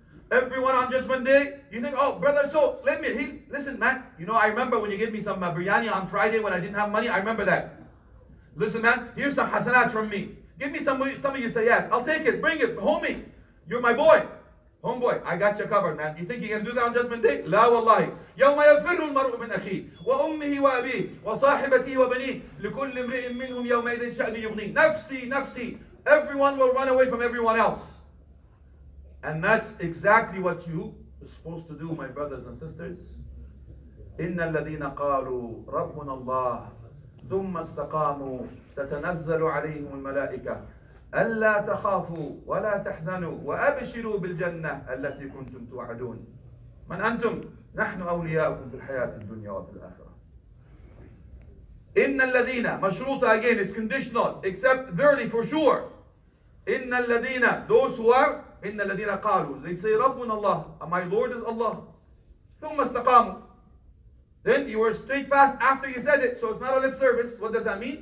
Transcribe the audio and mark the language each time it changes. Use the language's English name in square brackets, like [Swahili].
[English] Everyone on judgment day, you think, oh, brother, so let me, listen, man. You know, I remember when you gave me some biryani on Friday when I didn't have money. I remember that. Listen, man, here's some hasanat from me. Give me some of your sayyat. I'll take it. Bring it. Homie, you're my boy. Homeboy, I got you covered, man. You think you're going to do that on Judgment Day? [Arabic] لا والله. يوم يفر المرء من أخيه وأمه وأبيه وصاحبته وبنيه لكل امرئ منهم يومئذ شأن يغنيه. نفسي نفسي. [English] Everyone will run away from everyone else. And that's exactly what you are supposed to do, my brothers and sisters. [Arabic] إن الذين قالوا ربنا الله ثم استقاموا تتنزل عليهم الملائكة ألا تخافوا ولا تحزنوا وأبشروا بالجنة التي كنتم توعدون. من أنتم؟ نحن أولياؤكم في الحياة الدنيا وفي الآخرة. إن الذين مشروط [English] again it's conditional except verily for sure. [Arabic] إن الذين [English] those who are [Arabic] إن الذين قالوا [English] they say [Arabic] ربنا الله [English] my Lord is Allah [Arabic] ثم استقاموا. [English] Then you were steadfast after you said it. So it's not a lip service. What does that mean?